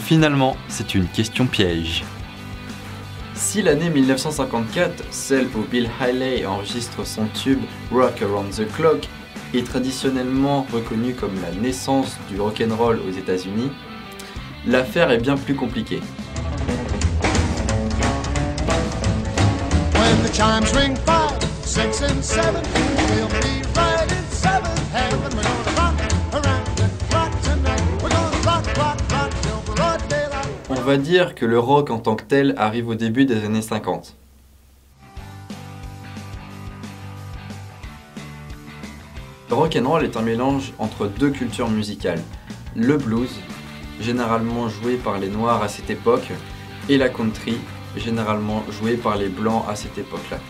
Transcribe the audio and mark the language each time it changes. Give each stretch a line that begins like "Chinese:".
French: Finalement, c'est une question piège. Si l'année 1954, celle où Bill Haley enregistre son tube Rock Around the Clock, est traditionnellement reconnue comme la naissance du rock'n'roll aux États-Unis, l'affaire est bien plus compliquée.
English: When the chimes ring 5, 6 and 7, we'll be right in 7th heaven. We're gonna rock around the clock tonight. We're gonna rock, rock, rock till broad daylight.
French: On va dire que le rock en tant que tel arrive au début des années 50. Le rock'n'roll est un mélange entre deux cultures musicales, le blues, généralement joué par les noirs à cette époque, et la country, généralement joué par les blancs à cette époque-là.